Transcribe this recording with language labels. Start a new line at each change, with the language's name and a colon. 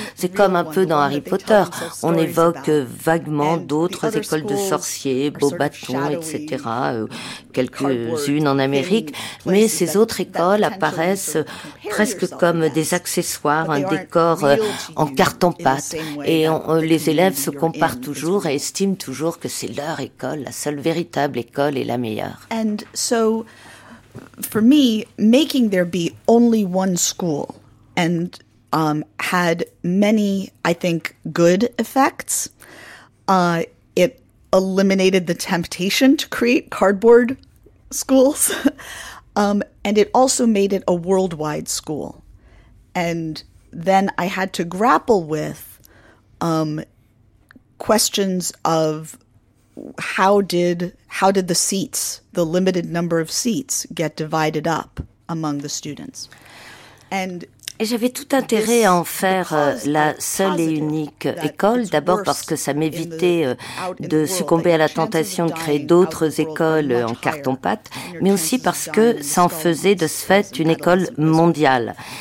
French: C'est comme un peu dans Harry Potter. On évoque vaguement d'autres écoles de sorciers, Beauxbatons, etc., quelques-unes en Amérique, mais ces autres écoles apparaissent presque comme des accessoires, un décor en carton-pâte. Et les élèves se comparent toujours et estiment toujours que c'est leur école, la seule véritable école et la meilleure.
English: And so, for me, making there be only one school and had many, I think, good effects, it eliminated the temptation to create cardboard schools. And it also made it a worldwide school. And then I had to grapple with questions of how did the seats, the limited number of seats, get divided up among the students. And
French: Et j'avais tout intérêt à en faire la seule et unique école, d'abord parce que ça m'évitait de succomber à la tentation de créer d'autres écoles en carton-pâte, mais aussi parce que ça en faisait de ce fait une école mondiale.